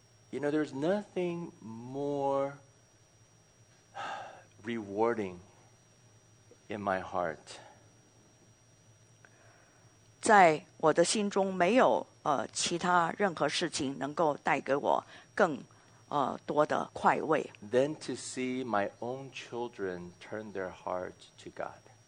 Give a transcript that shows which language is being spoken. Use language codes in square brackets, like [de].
[en] You know, there's nothing more rewarding in my heart [zh] 在我的心中没有其他任何事情能够带给我更多的快慰。 [en] Then to see my own children turn their heart to God.